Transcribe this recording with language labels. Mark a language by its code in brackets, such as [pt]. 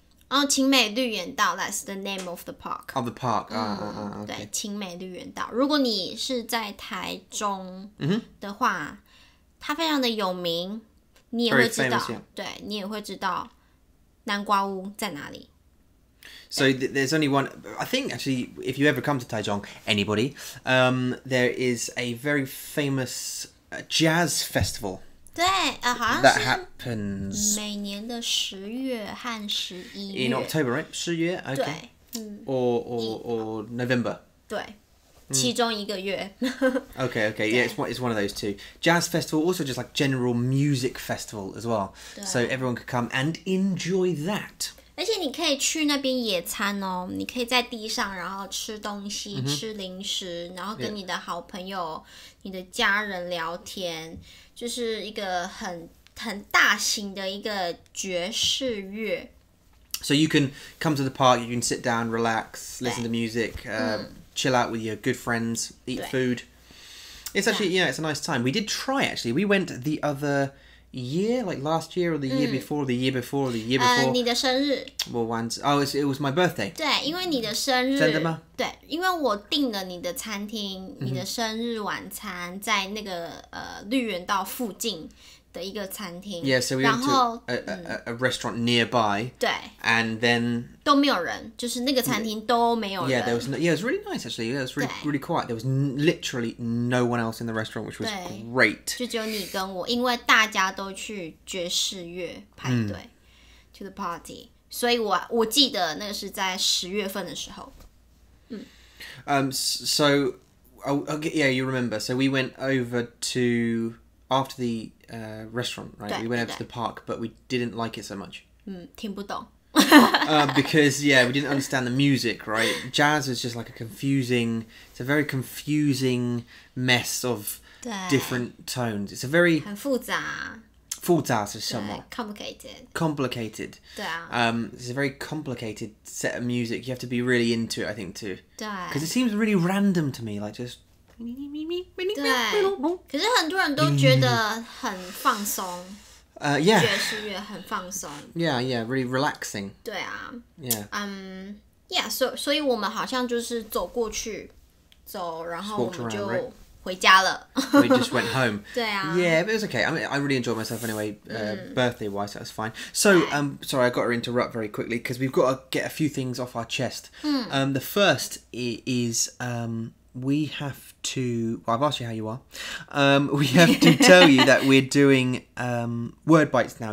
[en] 哦，晴美绿园道 ，That's the name of the park. Of the park, 啊啊啊！ [zh] 对，晴美绿园道。如果你是在台中的话， mm-hmm. 它非常的有名，你也会知道。 [en] Famous, yeah. [zh] 对，你也会知道南瓜屋在哪里。 [en] So there's only one. I think actually, if you ever come to Taichung, anybody, there is a very famous jazz festival. That happens [zh] 每年的十月和十一月 [en] in October, right? [zh] 十月 [en] okay. [zh] 对， [en] or November. [zh] 对，其中一个月。 [en] Okay, okay, yeah, it's one of those two. Jazz festival, also just like general music festival as well. [zh] 对 [en] so everyone could come and enjoy that. [zh] 而且你可以去那边野餐哦，你可以在地上，然后吃东西、mm-hmm. 吃零食，然后跟你的好朋友、yeah. 你的家人聊天。就是一个很大型的一个爵士乐。 [en] So you can come to the park, you can sit down, relax, listen to music, chill out with your good friends, eat food. It's actually, yeah, it's a nice time. We did try, actually. We went the other year, like last year or the year before, the year before, the year before. [zh] 你的生日。 [en] Well, once. Oh, it was my birthday. [zh] 对，因为你的生日。真的吗？对，因为我订了你的餐厅，你的生日晚餐在那个绿园道附近的一个餐厅。 [en] Yeah, so we went to a restaurant nearby. [zh] 对。 [en] And then [zh] 都没有人，就是那个餐厅都没有人。 [en] Yeah, there was no, yeah, it was really nice actually. Yeah, it was really quiet. There was literally no one else in the restaurant, which was great. [zh] 就只有你跟我，因为大家都去爵士乐派对 [en] to the party， [zh] 所以我记得那个是在十月份的时候。 [en] So, okay, yeah, you remember. So we went over to, after the restaurant, right? We went over to the park, but we didn't like it so much. [zh] 听不懂。 [en] because, yeah, we didn't understand the music, right? Jazz is just like it's a very confusing mess of different tones. It's a very... [zh] 很复杂。复杂是什么 [en] ？Complicated. Complicated. [zh] 对啊。 [en] It's a very complicated set of music. You have to be really into it, I think, too. [zh] 对。 [en] Because it seems really random to me, like just. [zh] 对。可是很多人都觉得很放松。 [en] Yeah. [zh] 爵士乐很放松。 [en] Yeah, yeah, really relaxing. [zh] 对啊。 [en] Yeah. So [zh] 我们好像就是走过去，走，然后我们就。 [en] Walked around, right? [zh] 回家了 [en] We just went home. [zh] 对啊 [en] Yeah, but it was okay. I mean, I really enjoyed myself anyway, birthday-wise, that was fine. So, sorry, I got to interrupt very quickly because we've got to get a few things off our chest. The first is we have to... Well, I've asked you how you are. We have to tell you that we're doing word bites now.